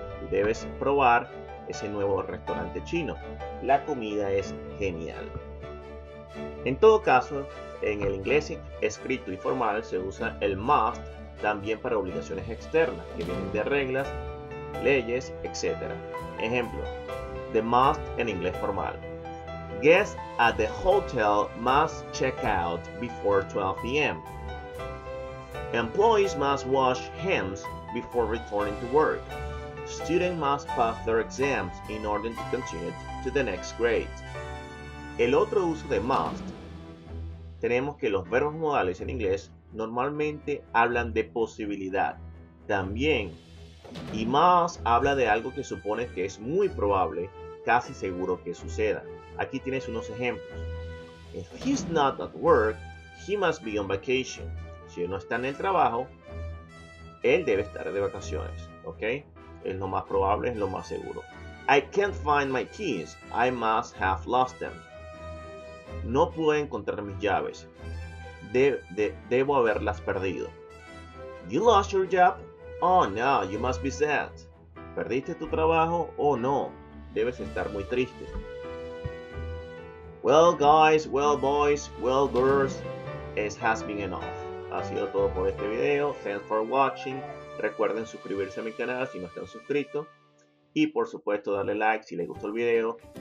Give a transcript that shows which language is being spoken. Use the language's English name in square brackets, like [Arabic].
[Spanish] Debes probar ese nuevo restaurante chino. La comida es genial. En todo caso, en el inglés escrito y formal se usa el must también para obligaciones externas que vienen de reglas, leyes, etc. Ejemplo, the must en inglés formal. [English] Guests at the hotel must check out before 12 p.m. Employees must wash hands before returning to work. Students must pass their exams in order to continue to the next grade. [Spanish] El otro uso de must, tenemos que los verbos modales en inglés normalmente hablan de posibilidad. También, y must habla de algo que supone que es muy probable, casi seguro que suceda. Aquí tienes unos ejemplos. [English] If he's not at work, he must be on vacation. [Spanish] Si él no está en el trabajo, él debe estar de vacaciones. ¿Ok? Es lo más probable, es lo más seguro. [English] I can't find my keys. I must have lost them. [Spanish] No puedo encontrar mis llaves. Debo haberlas perdido. [English] You lost your job? Oh no, you must be sad. [Spanish] ¿Perdiste tu trabajo? Oh no, debes estar muy triste. [English] Well, guys, well, boys, well, girls, it has been enough. [Spanish] Ha sido todo por este video. [English] Thanks for watching. [Spanish] Recuerden suscribirse a mi canal si no están suscritos. Y por supuesto, darle like si les gustó el video.